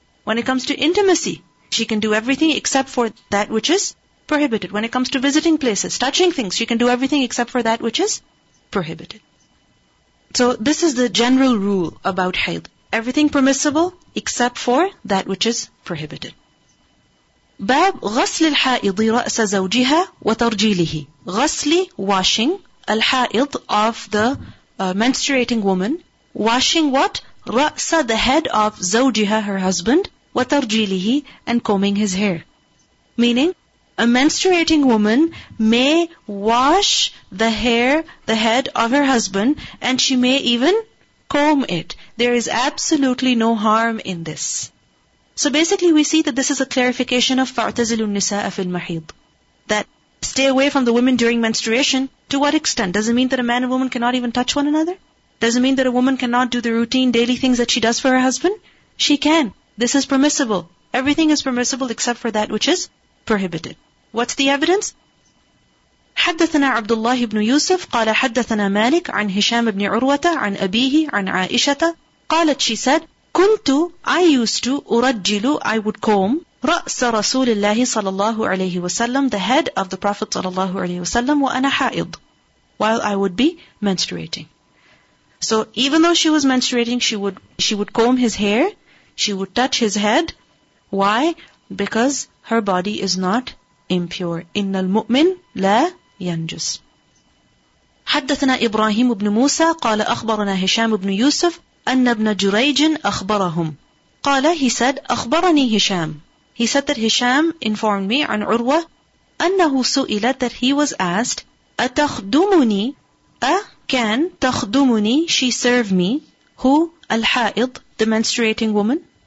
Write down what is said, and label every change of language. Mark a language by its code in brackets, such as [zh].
[en] When it comes to intimacy, she can do everything except for that which is prohibited. When it comes to visiting places, touching things, she can do everything except for that which is prohibited. So this is the general rule about hayd. Everything permissible except for that which is prohibited. [ar] Bab غسل الحائض رأس زوجها وترجيله. [en] غسل, washing, الحائض of the menstruating woman. Washing what? رأس, the head of زوجها, her husband. وترجيله, and combing his hair. Meaning, a menstruating woman may wash the hair, the head of her husband, and she may even comb it. There is absolutely no harm in this. So basically we see that this is a clarification of [ar] فَاعْتَزِلُ النِّسَاءَ فِي الْمَحِيضِ, [en] that stay away from the women during menstruation. To what extent? Does it mean that a man and woman cannot even touch one another? Does it mean that a woman cannot do the routine daily things that she does for her husband? She can. This is permissible. Everything is permissible except for that which is prohibited. What's the evidence? [ar] حدثنا عبد الله بن يوسف قال حدثنا مالك عن هشام بن عروة عن أبيه عن عائشة قالت, [en] she said, [ar] كنت, [en] I used to, [ar] أرجل, [en] I would comb, [ar] رأس رسول الله صلى الله عليه وسلم, [en] the head of the Prophet [ar] صلى الله عليه وسلم, وأنا حائض, [en] while I would be menstruating. So even though she was menstruating, she would comb his hair, she would touch his head. Why? Because her body is not impure. [ar] إِنَّ الْمُؤْمِنِ لَا يَنْجُسِ. حَدَّثَنَا إِبْرَاهِيمُ بْنُ مُوسَى قَالَ أَخْبَرَنَا هِشَامُ بْنُ يُوسُفْ أَنَّ بْنَ جُرَيْجٍ أَخْبَرَهُمْ قَالَ, [en] he said, [ar] أَخْبَرَنِي هِشَامُ, [en] he said that Hisham informed me, [ar] عَنْ عُرْوَى أَنَّهُ سُئِلَ, [en] that he was asked, [ar] أَتَخْدُمُنِي, a can, تَخْدُمُنِي, [en] she serve me, who, [ar] الحائض, [en] the menstruating woman.